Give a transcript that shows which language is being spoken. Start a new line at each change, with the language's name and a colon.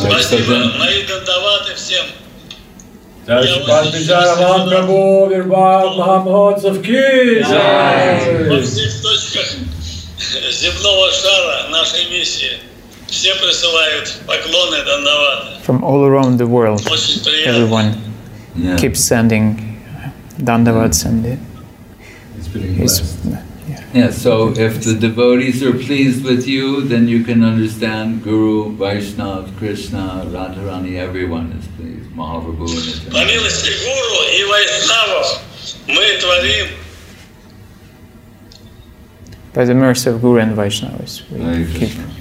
Russian: Спасибо. Мои дандаваты всем. Дальше Пандиджара Махапрабху, Вирбал, Махамхотсов, Ки. Во всех точках земного шара нашей миссии все присылают поклоны дандаваты.
English: From all around the world, everyone keeps sending dandavats and it's Yeah, so if the devotees are pleased with you, then you can understand Guru, Vaishnav, Krishna, Radharani, everyone is pleased. Mahaprabhu and Nityananda.
Russian: По милости Гуру и Вайшнава мы творим.
English: By the mercy of Guru and Vaishnavas, we keep.